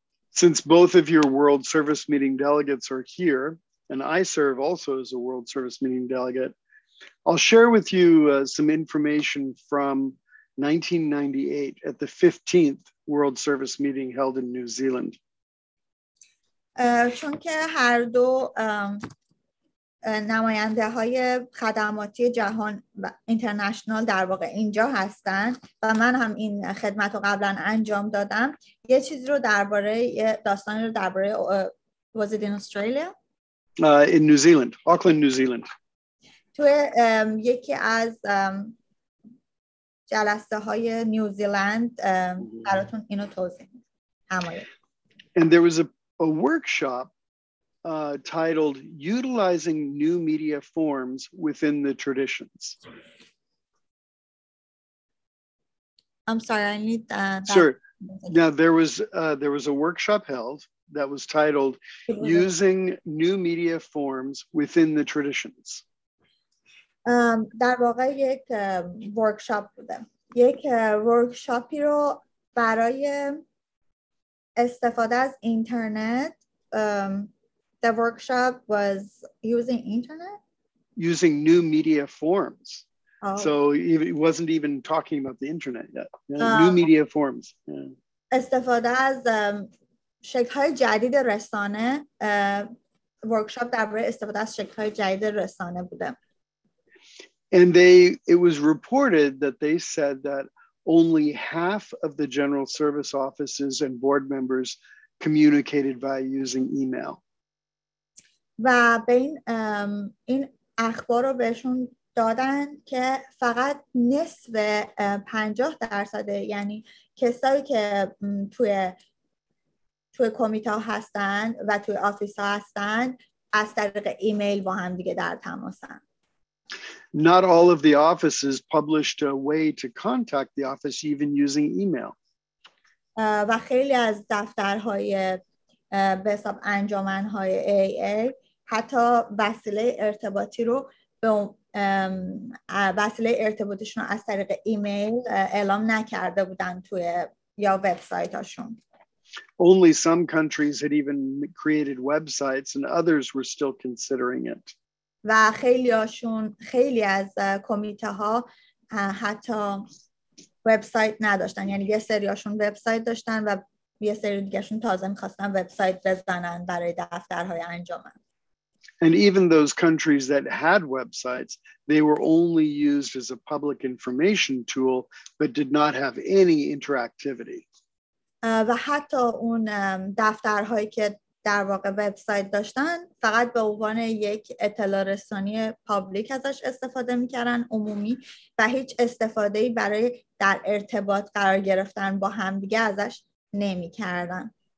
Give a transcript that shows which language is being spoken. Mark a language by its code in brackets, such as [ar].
[en] Since both of your World Service Meeting delegates are here, and I serve also as a World Service Meeting delegate, I'll share with you some information from 1998 at the 15th World Service Meeting held in New Zealand. [fa] چون که هر دو نماینده های خدماتی جهان اینترنشنال در واقع اینجا هستن و من هم این خدمت رو قبلا انجام دادم، یه چیزی رو درباره داستانی رو درباره [en] was it in Australia? In New Zealand, Auckland, New Zealand. [fa] تو یکی از جلسه های نیوزیلند براتون اینو توضیح همایه. [en] And there was a workshop titled Utilizing New Media Forms Within the Traditions. I'm sorry, I need that. Sure. Now, there was a workshop held that was titled Using New Media Forms Within the Traditions. [fa] در واقع یک ورکشاپ بوده. یک ورکشاپی رو برای استفاده از اینترنت. [en] The workshop was using internet? Using new media forms. Oh. So it wasn't even talking about the internet yet. New media forms. Yeah. [fa] استفاده از شکل‌های جدید رسانه. Workshop درباره استفاده از شکل‌های جدید رسانه بوده. [en] And it was reported that they said that only half of the general service offices and board members communicated by using email. [fa] و به این اخبار رو بهشون دادن که فقط نصف 50%، یعنی کسایی که توی کمیته هستن و توی آفیس ها هستن از طریق ایمیل با هم دیگه در تماسن. [en] Not all of the offices published a way to contact the office even using email. [fa] و خیلی از دفترهای به حساب انجمنهای AA حتی وسیله ارتباطی رو به وسیله ارتباطشون رو از طریق ایمیل اعلام نکرده بودن توی یا وبسایتشون. [en] Only some countries had even created websites and others were still considering it. [fa] و خیلی از کمیته ها حتی وبسایت نداشتن، یعنی یه سریاشون وبسایت داشتن و یه سری دیگه شون تازه می‌خواستن وبسایت بزنن برای دفترهای انجمن. [en] And even those countries that had websites, they were only used as a public information tool, but did not have any interactivity. [fa] و حتی اون دفترهایی که در واقع وبسایت داشتن فقط به عنوان یک اطلاع رسانی پابلیک ازش استفاده میکردن عمومی و هیچ استفاده‌ای برای در ارتباط قرار گرفتن با هم دیگه ازش نمیکردن.